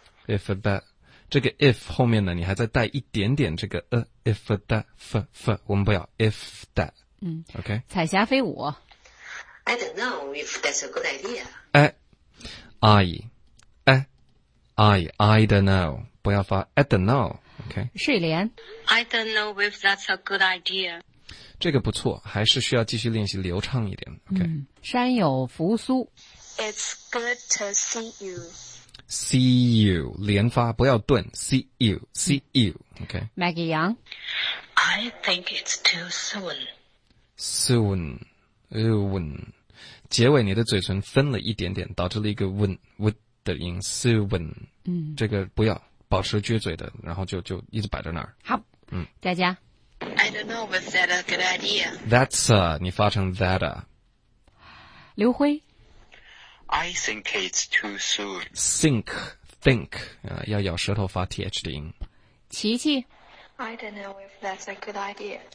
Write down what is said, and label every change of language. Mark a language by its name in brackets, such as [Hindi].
[Chinese] If that 这个 if 后面呢，你还在带一点点这个if that f 我们不要 if that 嗯。嗯 [English] ，OK。 [Chinese] 彩霞飞舞。 [English] I don't know if that's a good idea. [Chinese] 哎。阿姨，哎，阿姨 ，I don't know， 不要发 I don't know，OK、okay?。睡莲 [English] ，I don't know if that's a good idea。 [Chinese] 这个不错，还是需要继续练习流畅一点 ，OK、嗯。山有扶苏 [English] ，It's good to see you。 See you， 连发不要顿 ，See you，See you，OK、okay?。 Maggie Yang， I think it's too soon。 Soon。 [Chinese] 结尾你的嘴唇分了一点点，导致了一个吻吻的音 ，soon。嗯，这个不要保持撅嘴的，然后就一直摆在那儿。好，嗯，佳佳。 [English] I don't know if that's a good idea. [Chinese] That's 你发成 that。刘辉。 [English] I think it's too soon. [Chinese] Think think, 要咬舌头发 th 的音。琪琪。 [English] I don't know if that's a good idea.